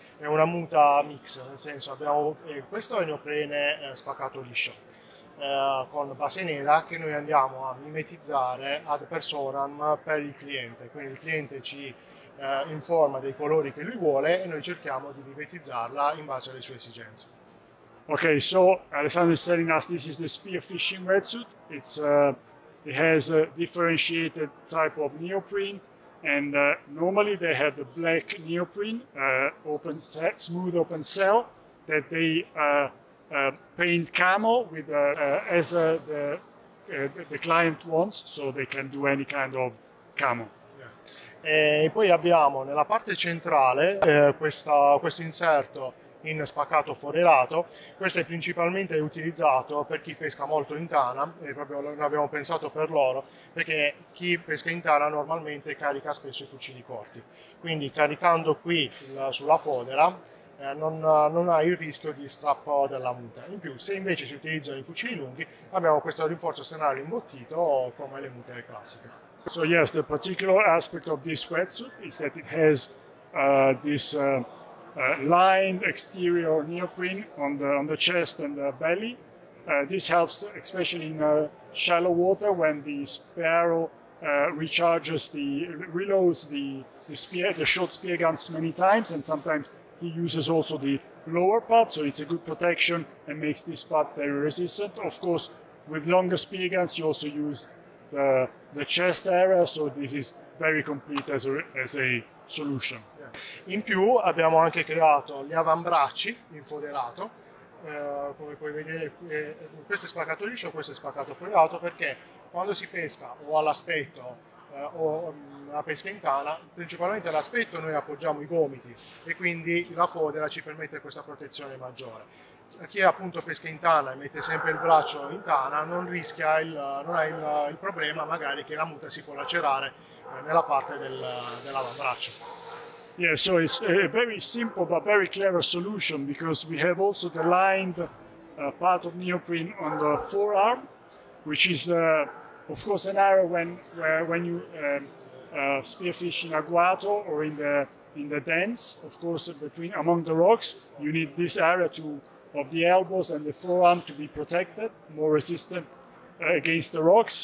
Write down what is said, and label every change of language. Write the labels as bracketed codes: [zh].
[it] È una muta mix, nel senso abbiamo questo è neoprene spaccato liscio con base nera che noi andiamo a mimetizzare ad personam per il cliente. Quindi il cliente ci informa dei colori che lui vuole e noi cerchiamo di mimetizzarla in base alle sue esigenze. [en] Okay, so Alessandro is telling us this is the spear fishing wetsuit. It has a differentiated type of neoprene, and normally they have the black neoprene, smooth open cell, that they paint camo with as the client wants, so they can do any kind of camo. [it] Yeah. E poi abbiamo nella parte centrale questo inserto in spaccato forerato. Questo è principalmente utilizzato per chi pesca molto in tana, e proprio lo abbiamo pensato per loro, perché chi pesca in tana normalmente carica spesso i fucili corti, quindi caricando qui sulla fodera non ha il rischio di strappo della muta. In più, se invece si utilizzano i fucili lunghi, abbiamo questo rinforzo esternale imbottito come le mute classiche. [en] So yes, the particular aspect of this wetsuit is that it has lined exterior neoprene on the chest and the belly. This helps especially in shallow water when the sparrow reloads the short spear guns many times, and sometimes he uses also the lower part, so it's a good protection and makes this part very resistant. Of course, with longer spear guns you also use the chest area, so this is very complete as a solution. [it] In più abbiamo anche creato gli avambracci in foderato, come puoi vedere questo è spaccato liscio, questo è spaccato foderato, perché quando si pesca o all'aspetto o la pesca in tana, principalmente all'aspetto noi appoggiamo i gomiti e quindi la fodera ci permette questa protezione maggiore. Chi appunto pesca in tana e mette sempre il braccio in tana non rischia, non ha il problema magari che la muta si può lacerare nella parte dell'avambraccio. [en] Yeah, so it's a very simple but very clever solution, because we have also the lined part of neoprene on the forearm, which is of course an area when you spear fish in agguato or in the dens, of course between among the rocks, you need this area of the elbows and the forearm to be protected, more resistant against the rocks.